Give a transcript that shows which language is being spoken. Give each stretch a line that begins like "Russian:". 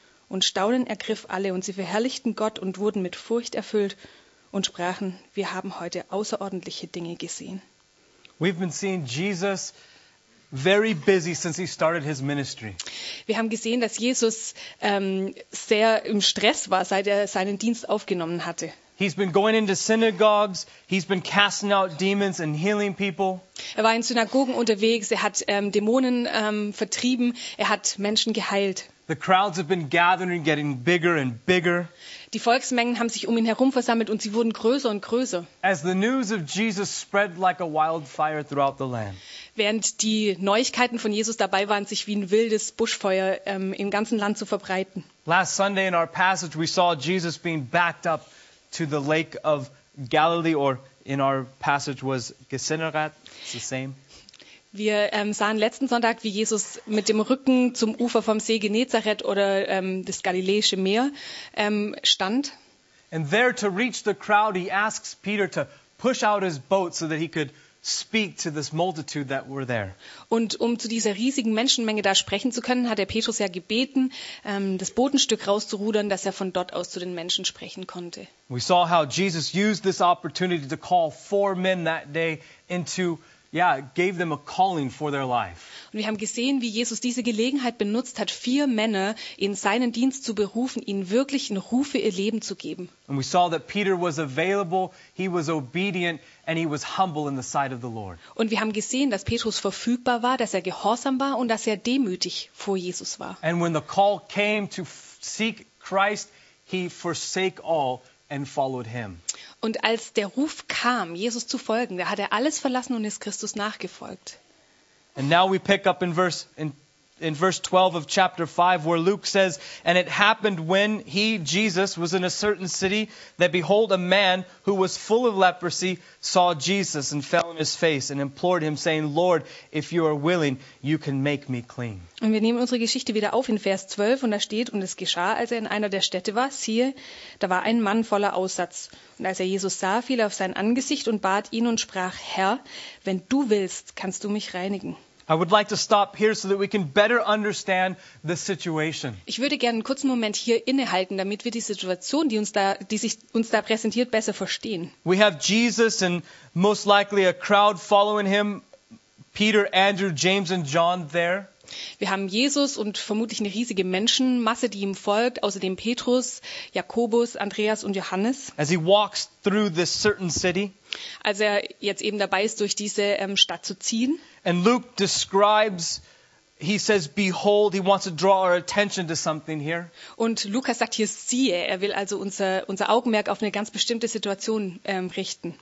German: Und Staunen ergriff alle, und sie verherrlichten Gott und wurden mit Furcht erfüllt und sprachen, wir haben heute außerordentliche Dinge gesehen.
English: We've been seeing Jesus very busy since he started his ministry.
German: Wir haben gesehen, dass Jesus sehr im Stress war, seit er seinen Dienst aufgenommen hatte.
English: He's been going into synagogues. He's been casting out demons and healing people.
German: Er war in Synagogen unterwegs. Er hat Dämonen vertrieben. Er hat Menschen geheilt.
English: The crowds have been gathering, getting bigger and bigger.
German: Die Volksmengen haben sich um ihn herum versammelt und sie wurden größer und größer.
English: As the news of Jesus spread like a wildfire throughout the land.
German: Während die Neuigkeiten von Jesus dabei waren, sich wie ein wildes Buschfeuer im ganzen Land zu verbreiten.
English: Last Sunday in our passage we saw Jesus being backed up to the lake of Galilee, or in our passage was Gennesaret, it's the same.
German: Wir sahen letzten Sonntag, wie Jesus mit dem Rücken zum Ufer vom See Genezareth oder das Galiläische Meer stand.
English: And there to reach the crowd, he asks Peter to push out his boat so that he could speak to this multitude that were there.
German: Und um zu dieser riesigen Menschenmenge da sprechen zu können, hat er Petrus ja gebeten, das Bootenstück rauszurudern, dass er von dort aus zu den Menschen sprechen konnte.
English: We saw how Jesus used this opportunity to call four men that day into gave them a calling for their life.
German: Und wir haben gesehen, wie Jesus diese Gelegenheit benutzt hat, vier Männer in seinen Dienst zu berufen, ihnen wirklich einen Ruf für ihr Leben zu geben.
English: And we saw that Peter was available, he was obedient, and he was humble in the sight of the Lord.
German: Und wir haben gesehen, dass Petrus verfügbar war, dass er gehorsam war und dass er demütig vor Jesus war.
English: And when the call came to seek Christ, he forsake all and followed him.
German: Und als der Ruf kam, Jesus zu folgen, da hat er alles verlassen und ist Christus nachgefolgt.
English: And now we pick up in verse 12 of chapter 5, where Luke says, and it happened when he, Jesus, was in a certain city, that behold, a man who was full of leprosy saw Jesus and fell on his face and implored him, saying, Lord, if you are willing, you can make me clean.
German: Und wir nehmen unsere Geschichte wieder auf in Vers 12, und da steht, und es geschah, als er in einer der Städte war, siehe, da war ein Mann voller Aussatz. Und als er Jesus sah, fiel er auf sein Angesicht und bat ihn und sprach, Herr, wenn du willst, kannst du mich reinigen.
English: I would like to stop here so that we can better understand the situation.
German: Ich würde gerne einen kurzen Moment hier innehalten, damit wir die Situation, die sich uns da präsentiert, besser verstehen.
English: We have Jesus and most likely a crowd following him, Peter, Andrew, James and John there.
German: Wir haben Jesus und vermutlich eine riesige Menschenmasse, die ihm folgt, außerdem Petrus, Jakobus, Andreas und Johannes.
English: As he walks through this certain city.
German: Als er jetzt eben dabei ist, durch diese Stadt zu ziehen.
English: And Luke describes, he says, behold, he wants to draw our attention to something here.
German: Und Lukas sagt hier, siehe, er will also unser Augenmerk auf eine ganz bestimmte Situation richten.